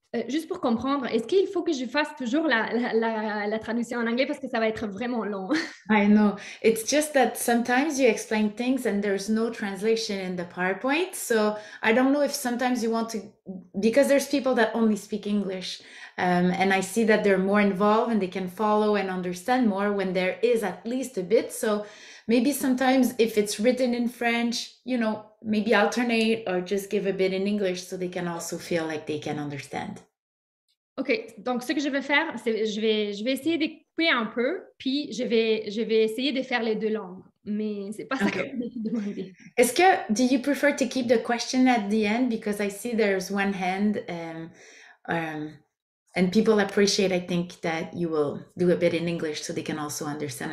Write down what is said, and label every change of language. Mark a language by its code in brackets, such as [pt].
[fr] Juste pour comprendre, est-ce qu'il faut que je fasse toujours la traduction en anglais parce que ça va être vraiment long? [en] I know. It's just that sometimes you explain things and there's no translation in the PowerPoint. So I don't know if sometimes you want to, because there's people that only speak English. And I see that they're more involved and they can follow and understand more when there is at least a bit. So maybe sometimes if it's written in French, you know, maybe alternate or just give a bit in English so they can also feel like they can understand. [fr] OK, donc ce que je vais faire, c'est je vais essayer de couper un peu, puis je vais essayer de faire les deux langues. Mais ce n'est pas ça que je vais demander. Est-ce que, [en] do you prefer to keep the question at the end? Because I see there's one hand. And people appreciate, I think, that you will do a bit in English so they can also understand.